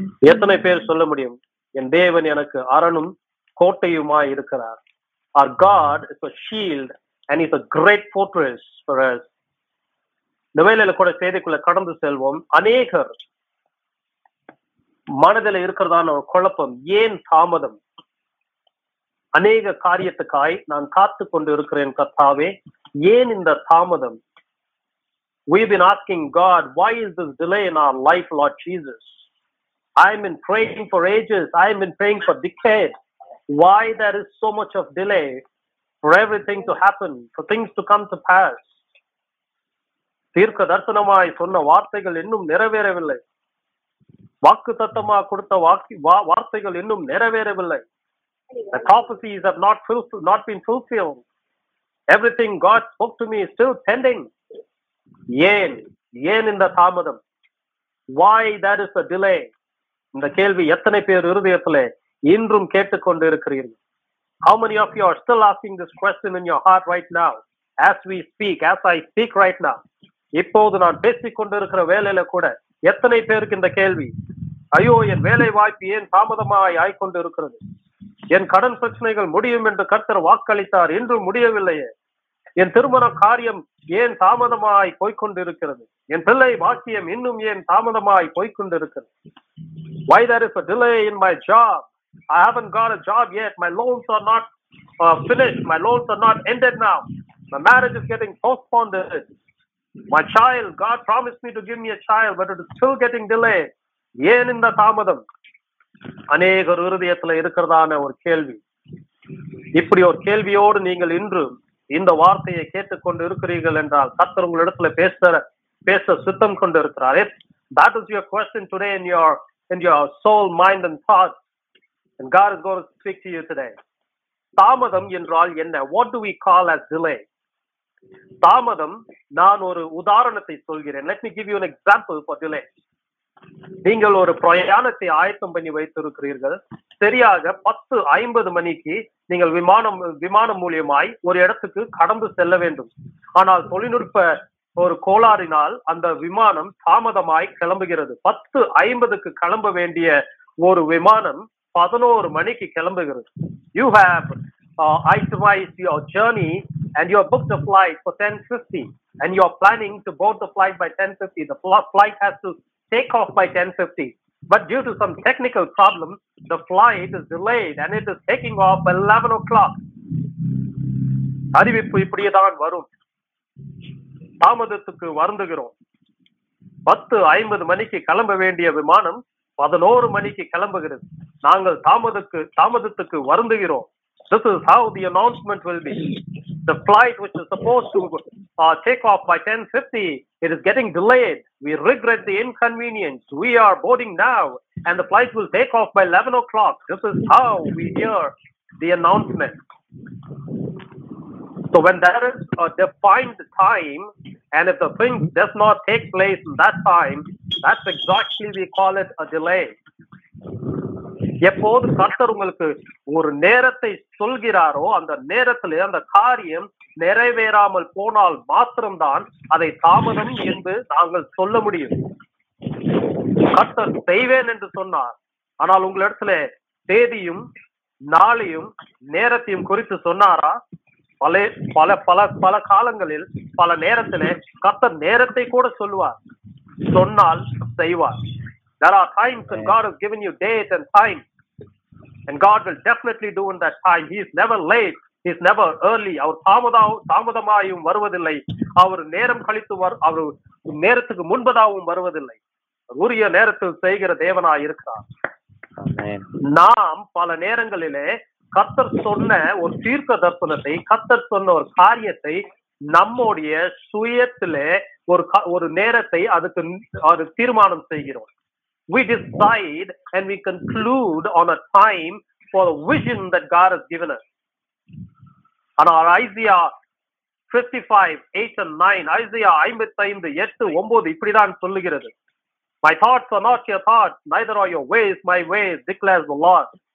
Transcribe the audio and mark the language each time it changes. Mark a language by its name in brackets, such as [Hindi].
[Tamil] எத்தனை பேர் சொல்ல முடியும், என் தேவன் எனக்கு அரணும் கோட்டையுமா இருக்கிறார். [English] Our God is a shield and he's a great fortress for us. [Tamil] நவேலல கூட செய்திக்குள்ள கடந்து செல்வோம். அநேகர் மனதில இருக்கிறதான ஒரு குழப்பம், ஏன் தாமதம்? அநேக காரியத்துக்காய் நான் காத்து கொண்டு இருக்கிறேன் கர்த்தாவே, ஏன் இந்த தாமதம்? [English] We've been asking God, why is this delay in our life, Lord Jesus? I have been praying for ages, I have been praying for decades. Why there is so much of delay for everything to happen, for things to come to pass? [Tamil] தீர்க்கதரிசனமாய் சொன்ன வார்த்தைகள் இன்னும் நிறைவேறவில்லை, வாக்குத்தத்தமாக கொடுத்த வார்த்தைகள் இன்னும் நிறைவேறவில்லை. [English] The prophecies have not been fulfilled. Everything God spoke to me is still pending. [Tamil] ஏன் இந்த தாமதம்? [English] Why there is a delay? [Tamil] இந்த கேள்வி எத்தனை பேர் இருதயத்திலே இன்றும் கேட்டுக்கொண்டு இருக்கிறீர்கள். [English] How many of you are still asking this question in your heart right now? As we speak, as I speak right now, [Tamil] இப்போது நான் பேசிக் கொண்டிருக்கிற வேலையில கூட எத்தனை பேருக்கு இந்த கேள்வி, ஐயோ என் வேலை வாய்ப்பு ஏன் தாமதமாய் ஆய்கொண்டு இருக்கிறது? என் கடன் பிரச்சனைகள் முடியும் என்று கர்த்தர் வாக்களித்தார், இன்றும் முடியவில்லையே. என் திருமண காரியம் ஏன் தாமதமாய் போய்கொண்டு இருக்கிறது? என் பிள்ளை பாக்கியம் இன்னும் ஏன் தாமதமாய் போய்கொண்டு இருக்கிறது? [English] Why there is a delay in my job? I haven't got a job yet. My loans are not finished. My loans are not ended now. My marriage is getting postponed. My child, God promised me to give me a child, but it is still getting delayed. [Tamil] ஏன் இந்த தாமதம்? அநேகர் இருதயத்தில் இருக்கிறதான ஒரு கேள்வி. இப்படி ஒரு கேள்வியோடு நீங்கள் இன்று இந்த வார்த்தையை கேட்டுக்கொண்டு இருக்கிறீர்கள் என்றால் கர்த்தர் உங்களிடத்துல பேச சித்தம் கொண்டு இருக்கிறார். [English] That is your question today in your soul, mind and thought. And God is going to speak to you today. [Tamil] தாமதம் என்றால் என்ன? [English] What do we call as delay? [Tamil] தாமதம், நான் ஒரு உதாரணத்தை சொல்கிறேன். [English] Let me give you an example for delay. [Tamil] நீங்கள் ஒரு பிரயாணத்தை ஆயத்தம் பண்ணி வைத்திருக்கிறீர்கள். சரியாக 10:50 மணிக்கு நீங்கள் விமானம் மூலியமாய் ஒரு இடத்துக்கு கடந்து செல்ல வேண்டும். ஆனால் தொழில்நுட்ப ஒரு கோளாறினால் அந்த விமானம் தாமதமாய் கிளம்புகிறது. 10:50 கிளம்ப வேண்டிய ஒரு விமானம் 11 மணிக்கு கிளம்புகிறது. [English] You have itemized your journey and you have booked a flight for 10:50 and you are planning to board the flight by 10:50. The flight has to take off by 10:50. But due to some technical problem, the flight is delayed and it is taking off by 11 o'clock. [Tamil] அறிவிப்பு இப்படியேதான் வரும். தாமதத்துக்கு வருந்துகிறோம். 10:50 கிளம்ப வேண்டிய விமானம் 11 மணிக்கு கிளம்புகிறது. நாங்கள் தாமதத்துக்கு வருந்துகிறோம். [English] This is how the announcement will be. The flight which is supposed to take off by 10:50, it is getting delayed. We regret the inconvenience. We are boarding now and the flight will take off by 11 o'clock. This is how we hear the announcement. So when there is a defined time, and if the thing does not take place in that time, that's exactly we call it a delay. [Tamil] எப்போது கர்த்தர் உங்களுக்கு ஒரு நேரத்தை சொல்கிறாரோ அந்த நேரத்தில் அந்த காரியம் நிறைவேறாமல் போனால் மாத்திரம்தான் அதை தாமதம் என்று நாங்கள் சொல்ல முடியும். கர்த்தர் செய்வேன் என்று சொன்னார், ஆனால் உங்களிடத்துல தேதியும் நாளையும் நேரத்தையும் குறித்து சொன்னாரா? பல பல பல பல காலங்களில் பல நேரத்தில் கர்த்தர் நேரத்தை கூட சொல்லுவார், சொன்னால் செய்வார். [English] There are times when God has given you date and time, and God will definitely do in that time. He is never late. He is never early. [Tamil] அவர் தாமதமாயும் வருவதில்லை. அவர் நேரம் கழித்து அவர் நேரத்துக்கு முன்பதாகவும் வருவதில்லை. உரிய நேரத்தில் செய்கிற தேவனாய் இருக்கிறார். நாம் பல நேரங்களிலே கர்த்தர் சொன்ன ஒரு தீர்க்க தரிசனத்தை, கர்த்தர் சொன்ன ஒரு காரியத்தை நம்முடைய சுயத்திலே ஒரு நேரத்தை அதுக்கு அது தீர்மானம் செய்கிறோம். [English] We decide and we conclude on a time for the vision that God has given us. And our Isaiah 55:8-9, Isaiah 55:8-9, My thoughts are not your thoughts, neither are your ways my ways, declares the Lord.